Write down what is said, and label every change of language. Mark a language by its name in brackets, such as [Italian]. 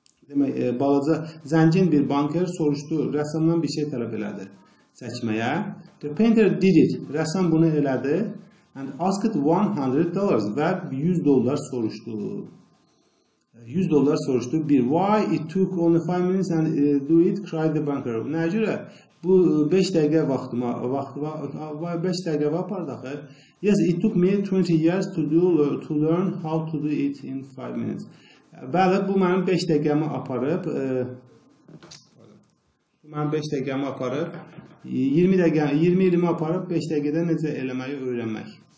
[Azerbaijani] Demək, balaca zəngin bir banker soruşdu, rəssamdan bir şey tələb elədi çəkməyə. [English] The painter did it. [Azerbaijani] Rəssam bunu elədi. [English] And asked $100 [Azerbaijani] və 100 dollar soruşdu. 100 dollar soruşdu. [English] Bir, why it took only 5 minutes and do it, cried the banker. [Azerbaijani] Nə görə? Bu 5 dəqiqə vaxtı 5 dəqiqə var apardı axı. [English] Yes, it took me 20 years to learn how to do it in 5 minutes. [Azerbaijani] Bəli, bu mənim 5 dəqiqəmi aparıb 20-20 aparıb 5 dəqiqədə necə eləməyi öyrənmək.